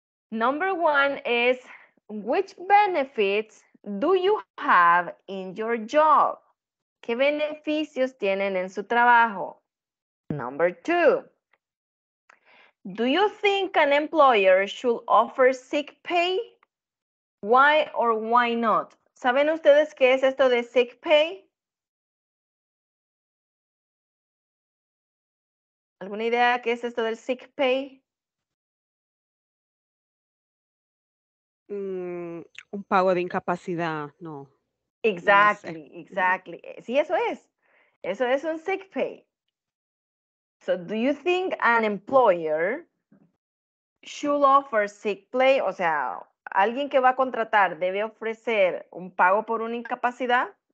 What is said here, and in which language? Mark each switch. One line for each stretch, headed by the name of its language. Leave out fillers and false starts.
English: Number 1 is, which benefits do you have in your job?
Spanish: ¿Qué beneficios tienen en su trabajo?
English: Number 2, do you think an employer should offer sick pay? Why or why not?
Spanish: ¿Saben ustedes qué es esto de sick pay? ¿Alguna idea qué es esto del sick pay? Un pago de incapacidad, no.
English: Exactly.
Spanish: Sí, eso es. Eso es un sick pay.
English: So, do you think an employer should offer sick pay?
Spanish: O sea, ¿alguien que va a contratar debe ofrecer un pago por una incapacidad?